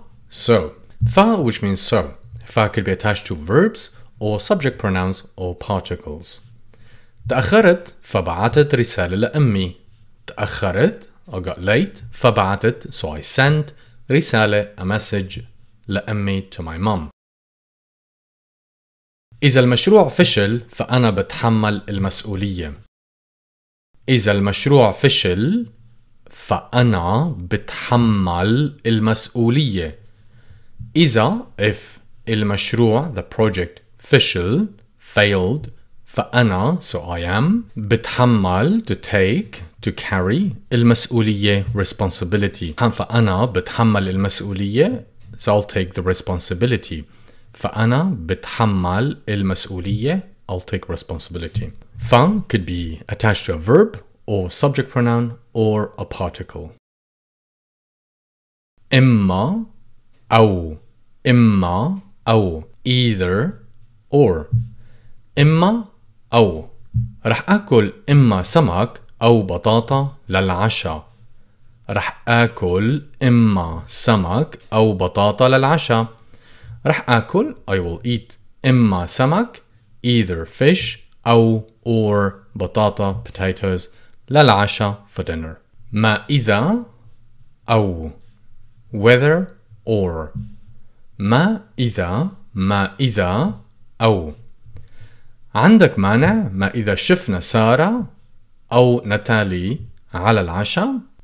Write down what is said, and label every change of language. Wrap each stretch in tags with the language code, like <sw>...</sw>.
<en>فا which means so. فا could be attached to verbs or subject pronouns or particles.</en> <ar>تأخرت فبعتت رسالة لأمي.</ar> <en>تأخرت I got late فبعتت so I sent رسالة a message لأمي to my mom.</en> <ar>إذا المشروع فشل فأنا بتحمل المسؤولية. إذا المشروع فشل فأنا بتحمل المسؤولية.</ar> <en>إذا if المشروع the project failed فأنا so I am بتحمل to take to carry المسؤولية responsibility</en> <ar>فأنا بتحمل المسؤولية</ar> <en>so I'll take the responsibility فأنا بتحمل المسؤولية I'll take responsibility. ف could be attached to a verb or subject pronoun or a particle.</en> <ar>إما أو either or. إما أو رح أكل إما سمك أو بطاطا للعشاء. رح أكل إما سمك أو بطاطا للعشاء. رح أكل</ar> <en>I will eat</en> <ar>إما سمك</ar> <en>either fish أو or بطاطا potatoes للعشاء for dinner.</en> <ar>ما إذا أو whether or. ما إذا ما إذا أو عندك مانع ما إذا شفنا سارة أو نتالي على العشاء.</ar>